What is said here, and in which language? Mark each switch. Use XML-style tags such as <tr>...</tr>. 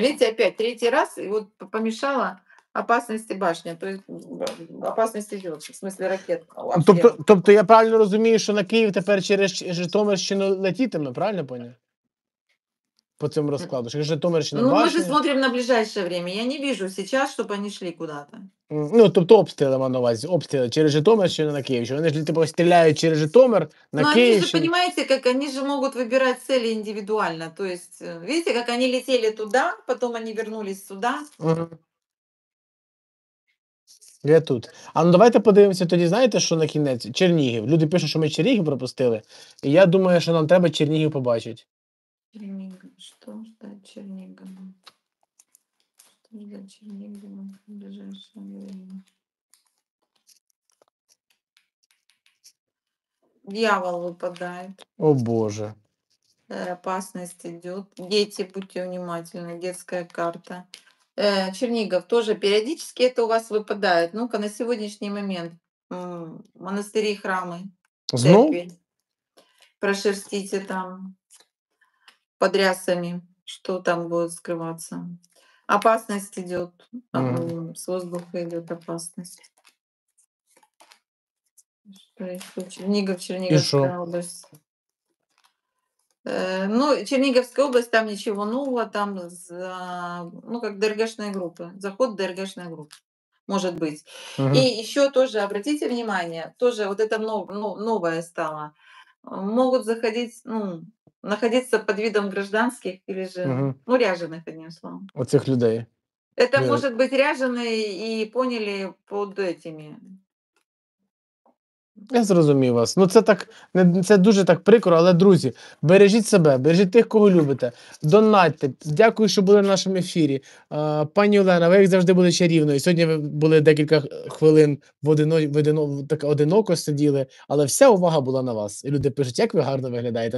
<ru>Видите, опять третий раз, и вот помешала опасности башня. То есть опасность идет, в смысле ракет.</ru> <uk>Тобто я правильно розумію, що на Київ тепер через Житомирщину летітиме, правильно поняв? По цьому розкладу. Житомирщина,</uk> <ru>башня. Ну, ми ж смотримо на ближайшее время. Я не вижу сейчас, щоб вони йшли куда-то.</ru> <uk>Ну, тобто обстріли мав на увазі, обстріли через Житомирщину на Київ. Вони ж типу стріляють через Житомир на Київ. Ну, ви ж розумієте, як вони ж можуть вибирати цілі індивідуально. Тобто, видите, як вони летіли туди, потім вони повернулись сюди. Угу. Я тут. А ну давайте подивимося тоді, знаєте, що на кінець? Чернігів. Люди пишуть, що ми Чернігів пропустили. І я думаю, що нам треба Чернігів побачити. Чернігів. Що ждать Чернігів?</uk> <ru>Для Чернігова в ближайшее время. Дьявол выпадает. О боже. Опасность идет. Дети, будьте внимательны. Детская карта. Чернігов тоже периодически это у вас выпадает. Ну-ка, на сегодняшний момент. Монастыри, храмы. Церкви. Прошерстите там под рясами, что там будет скрываться. Опасность идет. С воздуха идет опасность. Чернігов, Черніговская область. Ну, Черніговская область, там ничего нового, там ну, как ДРГшная группа. Заход ДРГшная группа. Может быть. Угу. И еще тоже обратите внимание, тоже вот это новое стало. Могут заходить, ну, находиться под видом гражданских или же, угу. Ну, ряженых, одним словом.</ru> <uk>У цих людей.</uk> <ru>Это нет. Может быть ряженые и поняли под этими,</ru> <uk>Я зрозумів вас. Ну це так, не це дуже так прикро, але друзі, бережіть себе, бережіть тих, кого любите. Донатьте. Дякую, що були на нашому ефірі. Пані Олена, ви як завжди були чарівною. Сьогодні ви були декілька хвилин одиноко сиділи, але вся увага була на вас. І люди пишуть, як ви гарно виглядаєте.</uk>